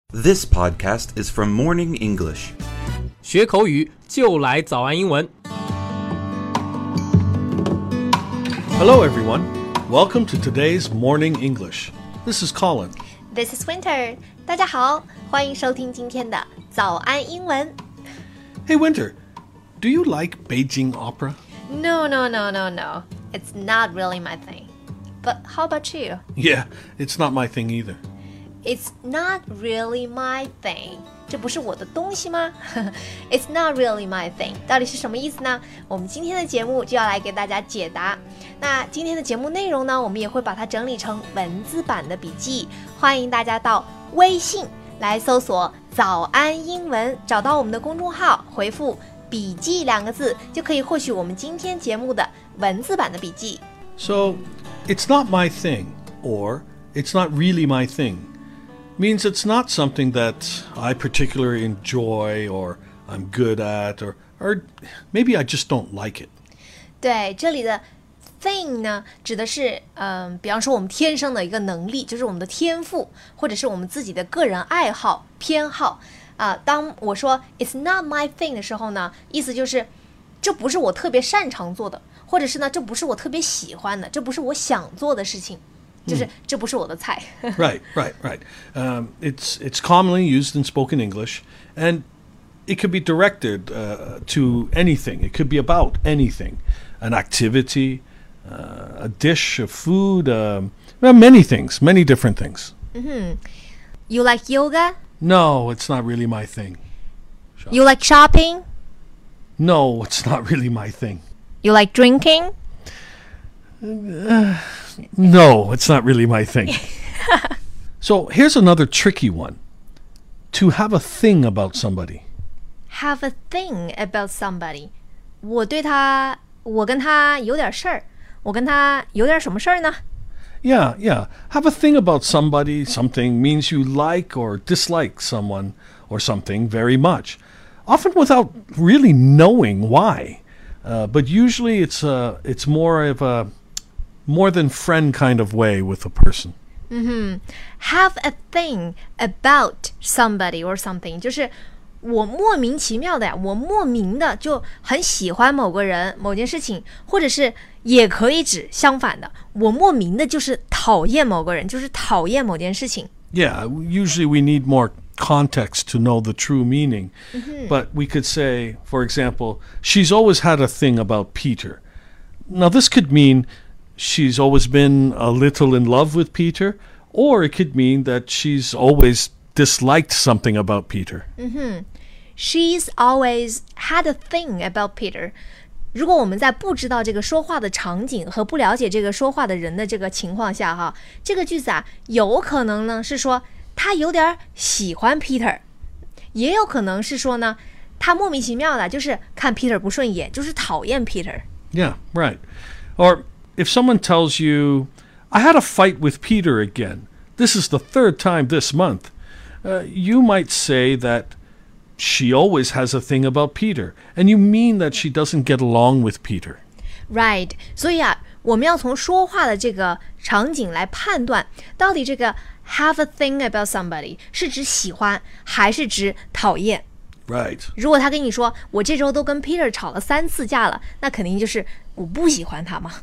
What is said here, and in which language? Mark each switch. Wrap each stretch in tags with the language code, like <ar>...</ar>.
<en>This podcast is from Morning English.</en> <zh>学口语就来早安英文。</zh> <en>Hello, everyone. Welcome to today's Morning English. This is Colin. This is Winter.</en> <zh>大家好，欢迎收听今天的早安英文。</zh> <en>Hey, Winter, do you like Beijing opera? No. It's not really my thing. But how about you? Yeah, it's not my thing either. It's not really my thing.</en> <zh>这不是我的东西吗?</zh> <en>It's not really my thing.</en> <zh>到底是什么意思呢? 我们今天的节目就要来给大家解答。那今天的节目内容呢,我们也会把它整理成文字版的笔记。欢迎大家到微信来搜索早安英文,找到我们的公众号,回复笔记两个字,就可以获取我们今天节目的文字版的笔记。</zh> <en>So, it's not my thing, or it's not really my thing. Means it's not something that I particularly enjoy or I'm good at or maybe I just don't like it.</en> <zh>对，这里的 thing 呢，指的是比方说我们天生的一个能力，就是我们的天赋，或者是我们自己的个人爱好偏好啊。当我说</zh> <en>it's not my thing</en> <zh>的时候呢，意思就是这不是我特别擅长做的，或者是呢这不是我特别喜欢的，这不是我想做的事情。就是这不是我的菜。</zh> <en>Right. It's commonly used in spoken English, and it could be directed to anything. It could be about anything, an activity, a dish of food, many things, many different things. Mm-hmm. You like yoga? No, it's not really my thing. You like shopping? No, it's not really my thing. You like drinking? No, it's not really my thing. So here's another tricky one. To have a thing about somebody. Have a thing about somebody.</en> <zh>我对他，我跟他有点事儿。我跟他有点什么事儿呢？</zh> <en>Yeah. Have a thing about somebody, something means you like or dislike someone or something very much. Often without really knowing why. But usually it's more of a... More than friend kind of way with a person. Mm-hmm. Have a thing about somebody or something.</en> <zh>就是我莫名其妙的呀，我莫名的就很喜欢某个人，某件事情，或者是也可以指相反的，我莫名的就是讨厌某个人，就是讨厌某件事情。</zh> <en>Yeah, usually we need more context to know the true meaning. Mm-hmm. But we could say, for example, she's always had a thing about Peter. Now this could mean... She's always been a little in love with Peter, or it could mean that she's always disliked something about Peter. Mm-hmm. She's always had a thing about Peter.</en> <zh>如果我们在不知道这个说话的场景和不了解这个说话的人的这个情况下哈，这个句子啊，有可能呢是说他有点喜欢 Peter， 也有可能是说呢他莫名其妙的就是看 Peter 不顺眼，就是讨厌 Peter.</zh> <en>Yeah, right. Or... If someone tells you, I had a fight with Peter again, this is the third time this month, you might say that she always has a thing about Peter, and you mean that she doesn't get along with Peter. Right.</en> <zh>所以啊，我们要从说话的这个场景来判断，到底这个</zh> <en>have a thing about somebody</en> <zh>是指喜欢还是指讨厌。</zh> <en>Right.</en> <zh>如果他跟你说，我这周都跟 Peter 吵了三次架了，那肯定就是我不喜欢他嘛。</zh>